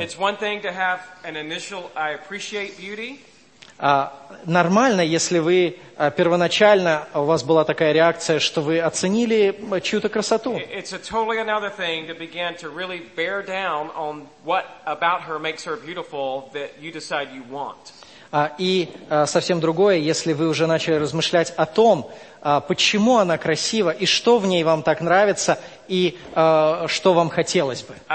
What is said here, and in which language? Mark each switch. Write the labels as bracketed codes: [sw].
[en] It's one thing to have an initial, I appreciate beauty. [ru] Нормально, если вы первоначально, у вас была такая реакция, что вы оценили чью-то красоту. [en] It's a totally another thing to begin to really bear down on what about her makes her beautiful that you decide you want. [ru] Совсем другое, если вы уже начали размышлять о том, почему она красива, и что в ней вам так нравится, и что вам хотелось бы.